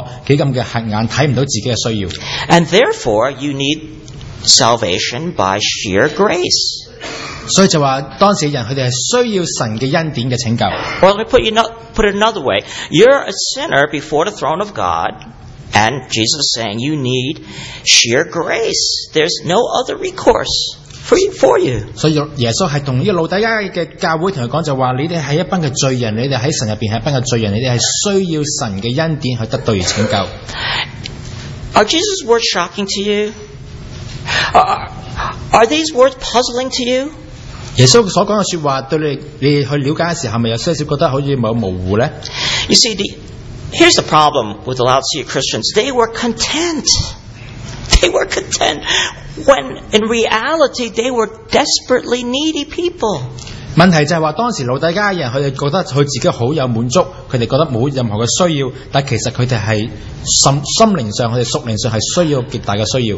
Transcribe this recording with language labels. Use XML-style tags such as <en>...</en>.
<yue>而反而耶稣跟老底家的人讲就话，无论你呢个城市入边系几咁嘅富足，几咁美好嘅时候，但系喺你边嘅内心入边，你嘅属灵上系几咁嘅贫乏，几咁嘅赤角，几咁嘅黑眼，睇唔到自己嘅需要。</yue> <en>And therefore, you need salvation by sheer grace.</en> <yue>所以就话当时人佢哋系需要神嘅恩典嘅拯救。</yue> <en>Well, let me put it another way. You're a sinner before the throne of God, and Jesus is saying you need sheer grace. There's no other recourse for you.</en> <yue>所以耶稣系同呢个老底家嘅教会同佢讲，就话你哋系一班嘅罪人，你哋喺神入边系一班嘅罪人，你哋系需要神嘅恩典去得到而拯救。</yue> <en>Are Jesus' words shocking to you? Are these words puzzling to you?</en> <yue>耶稣所讲嘅说话对你去了解嘅时候，系咪有些少觉得好似冇模糊呢？</yue> <en>You see, here's the problem with the Laodicea Christians. They were content. They were content when, in reality, they were desperately needy people.</en> <yue>问题就系话，当时老底家人佢哋觉得佢自己好有满足，佢哋觉得冇任何嘅需要，但其实佢哋系。心灵上，佢哋属灵上系需要极大嘅需要。</yue>